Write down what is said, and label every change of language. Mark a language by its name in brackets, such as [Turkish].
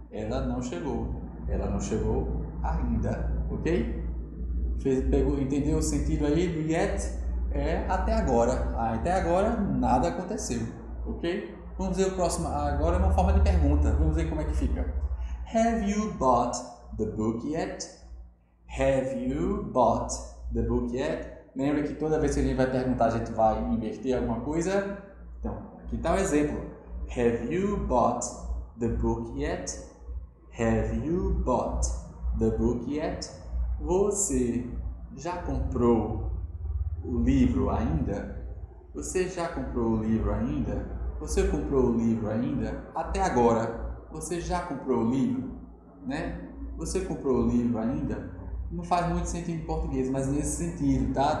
[Portuguese] Ela não chegou. Ela não chegou ainda. Ok? Pegou, entendeu o sentido aí do yet? É até agora. Até agora, nada aconteceu. Ok? Vamos ver o próximo. Agora é uma forma de pergunta. Vamos ver como é que fica. [English] Have you bought the book yet? Have you bought the book yet? [Portuguese] Lembra que toda vez que a gente vai perguntar, a gente vai inverter alguma coisa? Então, aqui está um exemplo. [English] Have you bought the book yet? Have you bought the book yet? [Portuguese] Você já comprou o livro ainda? Você já comprou o livro ainda? Você comprou o livro ainda? Até agora, você já comprou o livro? Né? Você comprou o livro ainda? Não faz muito sentido em português, mas nesse sentido, tá?